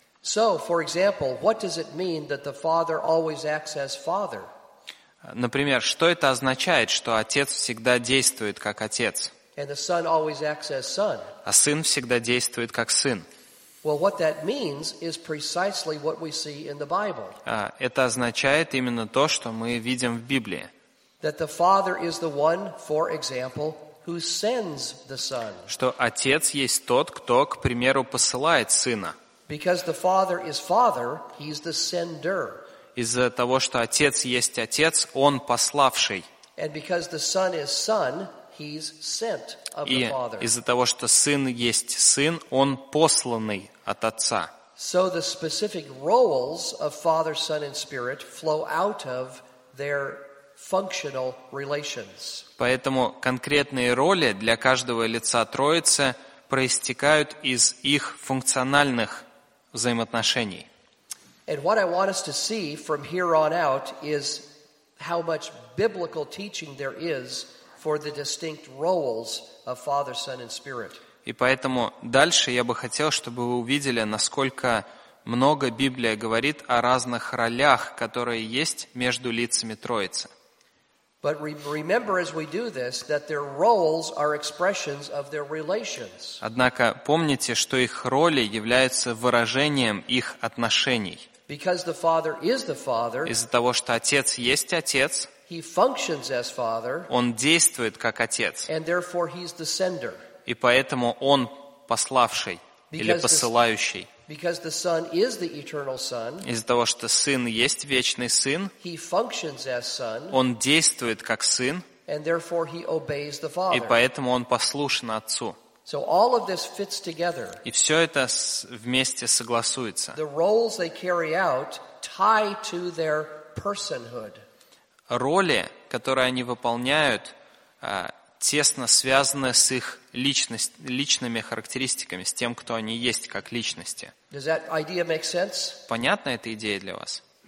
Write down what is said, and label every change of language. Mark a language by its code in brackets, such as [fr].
[en] So, for example, what does it mean that the Father always acts as Father? [ru] Например, что это означает, что Отец всегда действует как Отец? [en] And the Son always acts as Son. [ru] А Сын всегда действует как Сын. [en] Well, what that means is precisely what we see in the Bible. [ru] Это означает именно то, что мы видим в Библии. [en] That the Father is the one, for example, who sends the Son. [ru] Что Отец есть тот, кто, к примеру, посылает Сына. [en] Because the Father is Father, He's the sender. [ru] Из-за того, что Отец есть Отец, Он пославший. [en] And because the Son is Son, He's sent of the Father. [ru] Из-за того, что Сын есть Сын, Он посланный от Отца. [en] So the specific roles of Father, Son, and Spirit flow out of their functional relations. [ru] Поэтому конкретные роли для каждого лица Троицы проистекают из их функциональных взаимоотношений. [en] And what I want us to see from here on out is how much biblical teaching there is for the distinct roles of Father, Son, and Spirit. [ru] И поэтому дальше я бы хотел, чтобы вы увидели, насколько много Библия говорит о разных ролях, которые есть между лицами Троицы. [en] But remember as we do this that their roles are expressions of their relations. [ru] Однако помните, что их роли являются выражением их отношений. [en] Because the Father is the Father. [ru] Из-за того, что Отец есть Отец. [en] He functions as Father. [ru] Он действует как Отец. [en] And therefore he's the sender. [ru] И поэтому он пославший или посылающий. [en] Because the Son is the eternal Son, [ru] из-за того, что Сын есть вечный Сын, [en] He functions as Son, [ru] Он действует как Сын, [en] and therefore He obeys the Father. [ru] И поэтому Он послушен Отцу. [en] So all of this fits together. [ru] И все это вместе согласуется. [en] The roles they carry out tie to their personhood. [ru] Роли, которые они выполняют, тесно связаны с их личными характеристиками, с тем, кто они есть как личности. [en] Does that idea make sense? [ru] Понятна эта идея для вас?